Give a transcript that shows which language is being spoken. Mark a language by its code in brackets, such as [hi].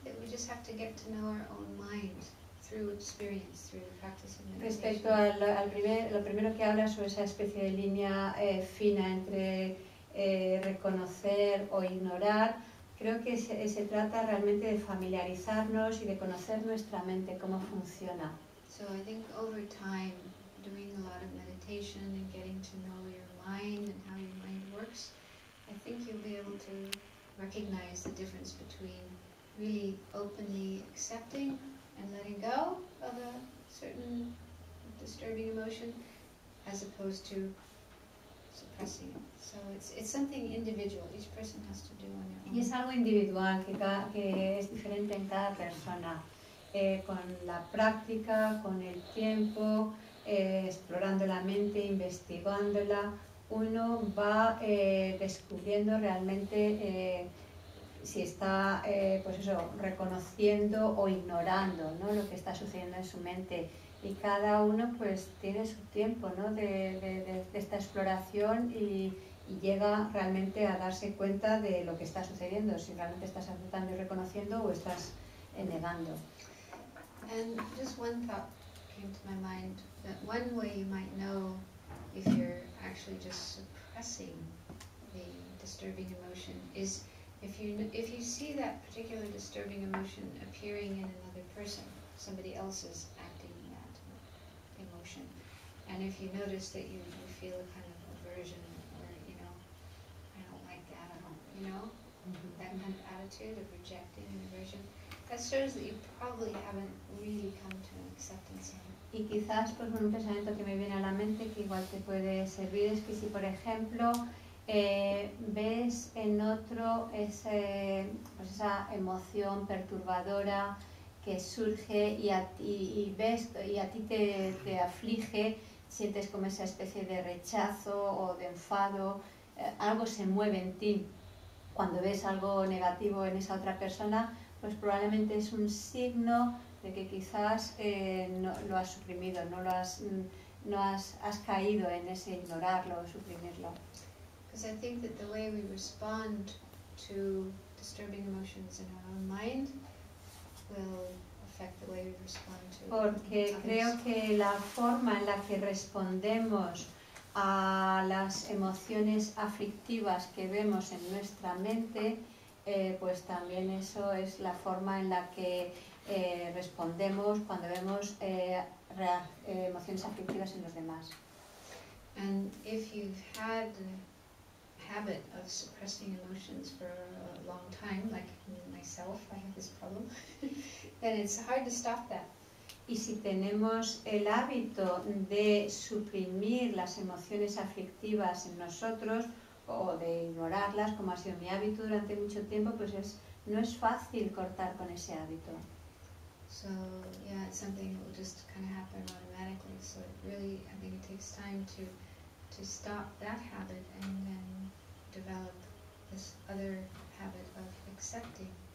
[en] just have to get to know our own mind through experience, through the practice of meditation. [es] Respecto al primer, lo primero que habla sobre esa especie de línea fina entre reconocer o ignorar, creo que se trata realmente de familiarizarnos y de conocer nuestra mente, cómo funciona. [en] So I think over time, doing a lot of meditation and getting to know your mind and how your mind works, I think you'll be able to recognize the difference between really openly accepting and letting go of a certain disturbing emotion as opposed to suppressing it. So it's something individual. Each person has to do on their own. [es] Y es algo individual que es diferente en cada persona. Con la práctica, con el tiempo, explorando la mente, investigándola, uno va descubriendo realmente si está pues eso, reconociendo o ignorando, ¿no?, lo que está sucediendo en su mente. Y cada uno pues tiene su tiempo, ¿no?, de esta exploración y llega realmente a darse cuenta de lo que está sucediendo, si realmente estás aceptando y reconociendo o estás negando. [en] And just one thought came to my mind, that one way you might know if you're actually just suppressing the disturbing emotion is if you see that particular disturbing emotion appearing in another person, somebody else is acting in that emotion, and if you notice that you feel a kind of aversion, or, you know, I don't like that, I don't, you know, mm-hmm. that kind of attitude of rejecting and aversion, that shows that you probably haven't really come to an acceptance of it. [es] Y quizás pues un pensamiento que me viene a la mente que igual te puede servir es que si por ejemplo ves en otro ese, pues esa emoción perturbadora que surge y a ti te aflige, sientes como esa especie de rechazo o de enfado, algo se mueve en ti cuando ves algo negativo en esa otra persona, pues probablemente es un signo de que quizás no lo has suprimido, no has caído en ese ignorarlo o suprimirlo. [en] Because I think that the way we respond to disturbing emotions in our own mind will affect the way we respond to others. [es] Porque creo que la forma en la que respondemos a las emociones aflictivas que vemos en nuestra mente, pues también eso es la forma en la que respondemos cuando vemos emociones afectivas en los demás. [en] And if you've had a habit of suppressing emotions for a long time, like myself, I have this problem, then it's hard to stop that. [es] Y si tenemos el hábito de suprimir las emociones afectivas en nosotros o de ignorarlas, como ha sido mi hábito durante mucho tiempo, pues no es fácil cortar con ese hábito. [en] So yeah, it's something that will just kind of happen automatically. So it really, I think it takes time to stop that habit and then develop this other habit of accepting.